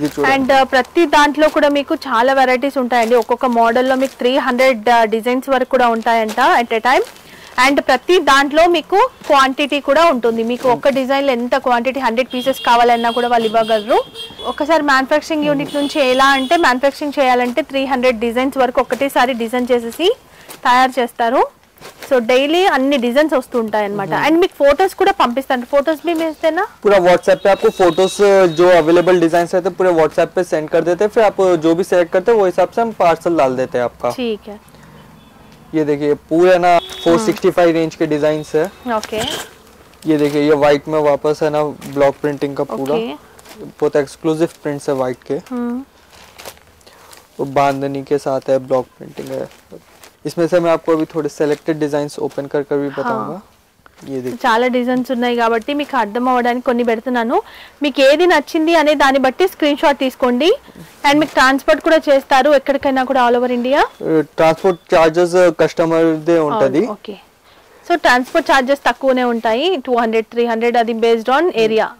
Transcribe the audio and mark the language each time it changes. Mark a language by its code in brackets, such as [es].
[te] and ప్రతి దాంట్లో కూడా మీకు చాలా వెరైటీస్ ఉంటాయండి ఒక్కొక్క మోడల్ లో మీకు 300 డిజైన్స్ వరకు కూడా ఉంటాయంట ఎట్ ఎ టైం అండ్ ప్రతి దాంట్లో మీకు క్వాంటిటీ కూడా ఉంటుంది మీకు ఒక డిజైన్ లో ఎంత క్వాంటిటీ 100 పీసెస్ కావాలన్నా కూడా వాళ్ళు ఇవ్వగలరు ఒకసారి మ్యానుఫ్యాక్చరింగ్ యూనిట్ నుంచి ఎలా అంటే మ్యానుఫ్యాక్చరింగ్ చేయాలంటే 300 డిజైన్స్ వరకు ఒకటేసారి డిజైన్ చేసి తయారు చేస్తారు సో డైలీ అన్ని డిజైన్స్ వస్తుంటాయన్నమాట అండ్ మీకు ఫోటోస్ కూడా పంపిస్తాను ఫోటోస్ మీ మెసేనా [hi] పూరా వాట్సాప్ పే आपको ఫోటోస్ జో అవైలబుల్ డిజైన్స్ అయితే పూరా వాట్సాప్ పే సెండ్ కర్ దేతే ఫిర్ ఆప్ జో బి సెలెక్ట్ కర్తే వో హిసాబ్ సే హమ్ పార్సల్ డాల్ దేతే ఆప్కా ठीक है ये देखिए पूरे ना 465 रेंज के डिजाइंस है ओके ये देखिए ये वाइट में वापस है ना ब्लॉक प्रिंटिंग का पूरा बहुत एक्सक्लूसिव प्रिंट है वाइट के बांधनी के साथ है ब्लॉक प्रिंटिंग है इसमें से मैं आपको अभी थोड़े सेलेक्टेड डिजाइंस ओपन कर कर भी बताऊंगा [te] చాలా డిజైన్స్ ఉన్నాయి కాబట్టి మీకు అర్థం అవడానికి కొన్ని పెడుతున్నాను మీకు ఏది నచ్చింది అనే దాని బట్టి స్క్రీన్ షాట్ తీసుకోండి అండ్ మీకు ట్రాన్స్పోర్ట్ కూడా చేస్తారు ఎక్కడికైనా కూడా all over India transport charges customer they ఉంటది ఓకే సో ట్రాన్స్పోర్ట్ చార్జెస్ తక్కువనే ఉంటాయి 200 300 అది బేస్డ్ ఆన్ ఏరియా